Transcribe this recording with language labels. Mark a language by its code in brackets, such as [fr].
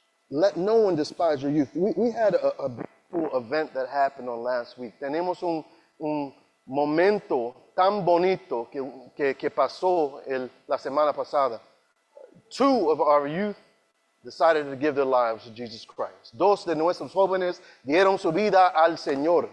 [en] Let no one despise your youth. We had a beautiful event that happened on last week. [es] Tenemos un momento tan bonito que pasó la semana pasada. [en] Two of our youth decided to give their lives to Jesus Christ. [es] Dos de nuestros jóvenes dieron su vida al Señor.